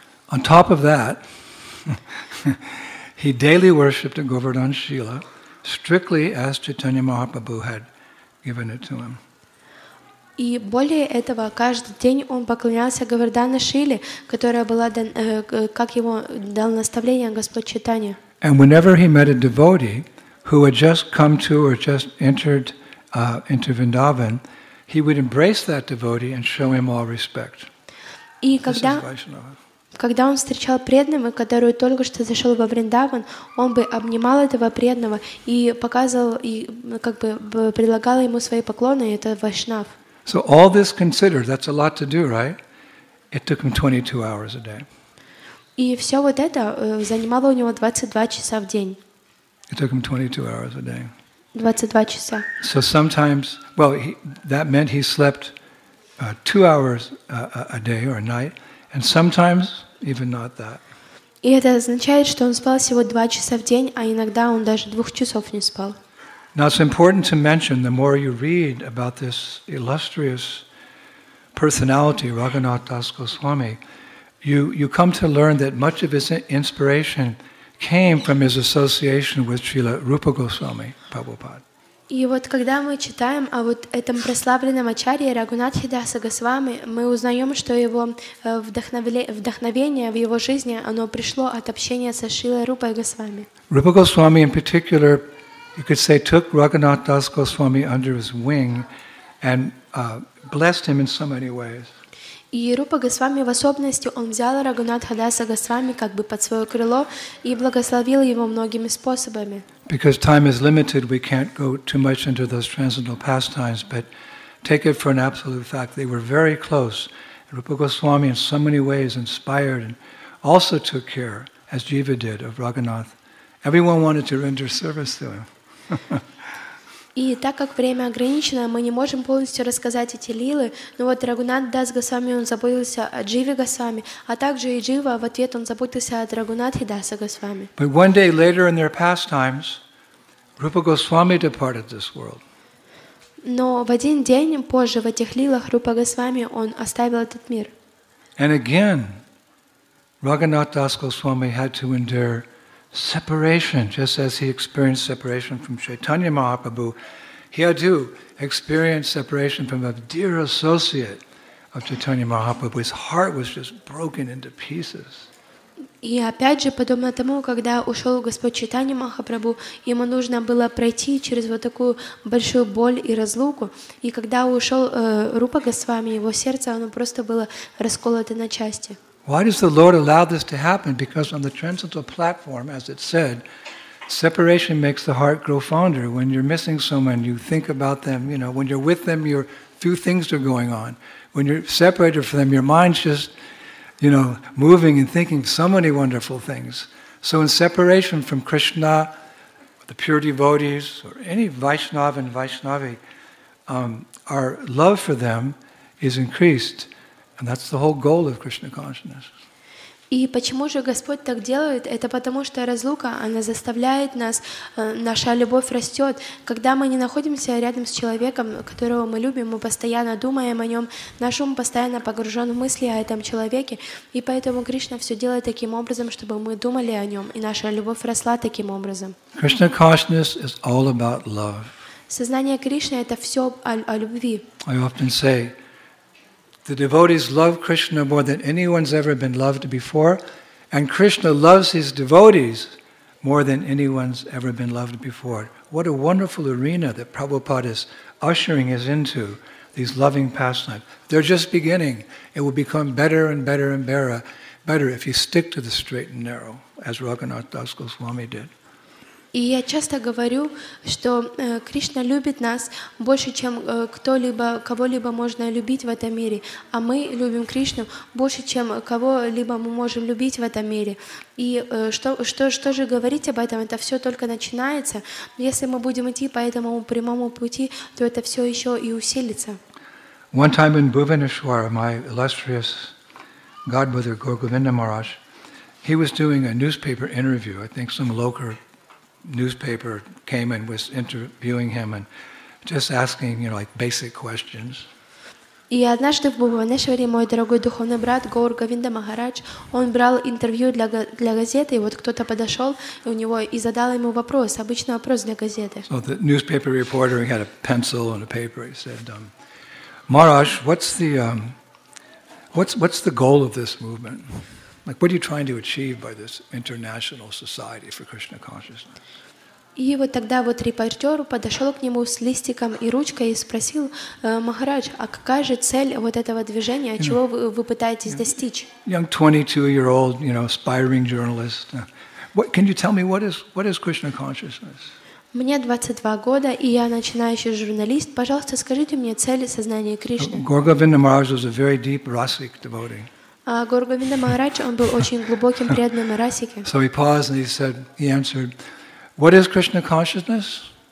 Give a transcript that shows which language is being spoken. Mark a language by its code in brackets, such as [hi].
[en] On top of that, he daily worshipped Govardhan Shila strictly as Chaitanya Mahaprabhu had given it to him. [ru] И более этого, каждый день он поклонялся Говардхана Шиле, которая была, как ему дал наставление Господь Чайтанья. [en] And whenever he met a devotee who had just come to or just entered into Vrindavan, he would embrace that devotee and show him all respect. [ru] И когда он встречал преданного, который только что зашел во Вриндаван, он бы обнимал этого преданного и показывал, и как бы предлагал ему свои поклоны, и это вайшнав. [en] So all this considered, that's a lot to do, right? It took him 22 hours a day. [ru] И всё вот это занимало у него 22 часа в день. [en] It took him 22 hours a day. [ru] 22 часа. [en] So sometimes, well, that meant he slept 2 hours a day or a night, and sometimes even not that. [ru] И это означает, что он спал всего 2 часа в день, а иногда он даже 2 часов не спал. [en] Now it's important to mention, the more you read about this illustrious personality, Raghunath Das Goswami, you come to learn that much of his inspiration came from his association with Srila Rupa Goswami, Prabhupada. [ru] И вот когда мы читаем о вот этом прославленном ачарье Рагунатхе Даса Госвами, мы узнаем, что его вдохновение в его жизни, оно пришло от общения со Шрила Рупой Госвами. [en] Rupa Goswami in particular, you could say, took Raghunath Das Goswami under his wing and blessed him in so many ways. [ru] И Рупа Госвами в особенности, он взял Рагунатха Даса Госвами как бы под свое крыло и благословил его многими способами. [en] Because time is limited, we can't go too much into those transcendental pastimes, but take it for an absolute fact, they were very close. Rupa Goswami in so many ways inspired and also took care, as Jiva did, of Raghunath. Everyone wanted to render service to him. [ru] И так как время ограничено, мы не можем полностью рассказать эти лилы, но вот Рагунат Дас Госвами, он заботился о Дживе Госвами, а также и Джива в ответ он заботился о Рагунатхе Даса Госвами. [en] But one day later in their pastimes, Rupa Goswami departed this world. [ru] Но в один день позже в этих лилах Рупа Госвами, он оставил этот мир. [en] And again, Raghunath Das Goswami had to endure separation, just as he experienced separation from Chaitanya Mahaprabhu, he had to experience separation from a dear associate of Chaitanya Mahaprabhu. His heart was just broken into pieces. [ru] И опять же, подобно тому, когда ушел Господь Чайтанья Махапрабху, ему нужно было пройти через вот такую большую боль и разлуку. И когда ушел Рупа Госвами, его сердце, оно просто было расколото на части. [en] Why does the Lord allow this to happen? Because on the transcendental platform, as it said, separation makes the heart grow fonder. When you're missing someone, you think about them, you know, when you're with them, your few things are going on. When you're separated from them, your mind's just, you know, moving and thinking so many wonderful things. So in separation from Krishna, the pure devotees, or any Vaishnava and Vaishnavi, our love for them is increased. And that's the whole goal of Krishna consciousness. [ru] И почему же Господь так делает? Это потому, что разлука, она заставляет нас, наша любовь растет. Когда мы не находимся рядом с человеком, которого мы любим, мы постоянно думаем о нем, наш ум постоянно погружен в мысли о этом человеке. И поэтому Кришна все делает таким образом, чтобы мы думали о нем, и наша любовь росла таким образом. [en] Krishna consciousness is all about love. [ru] Сознание Кришны это все о любви. [en] I often say, the devotees love Krishna more than anyone's ever been loved before, and Krishna loves his devotees more than anyone's ever been loved before. What a wonderful arena that Prabhupada is ushering us into, these loving pastimes. They're just beginning. It will become better and better and better if you stick to the straight and narrow, as Raghunath Das Goswami did. [ru] И я часто говорю, что Кришна любит нас больше, чем кто-либо, кого-либо можно любить в этом мире. А мы любим Кришну больше, чем кого-либо мы можем любить в этом мире. И что же говорить об этом? Это все только начинается. Если мы будем идти по этому прямому пути, то это все еще и усилится. [en] One time in Bhuvaneshwar, my illustrious godmother, Gorgovinda Maharaj, he was doing a newspaper interview, I think some local newspaper came and was interviewing him and just asking, you know, like basic questions. [ru] И однажды в Бхубанешваре мой дорогой духовный брат Гаур Говинда Махарадж, он брал интервью для газеты, и вот кто-то подошел и у него и задал ему вопрос, обычный вопрос для газеты. [en] So the newspaper reporter, he had a pencil and a paper. He said, Maharaj, what's the goal of this movement? Like, what are you trying to achieve by this international society for Krishna consciousness? [ru] И вот тогда вот репортер подошел к нему с листиком и ручкой и спросил Махарадж, а какая же цель вот этого движения, чего вы пытаетесь достичь? [en] Young 22-year-old, you know, aspiring journalist. What can you tell me? What is Krishna consciousness? [ru] Мне 22 года и я начинающий журналист. Пожалуйста, скажите мне цели сознания Кришны. [en] Gorgovinda Maharaj was a very deep rasic devotee. [ru] Горгавинда Махарадж, он был очень глубоким преданным Расике. [en] So he paused and he answered, "What is Krishna consciousness?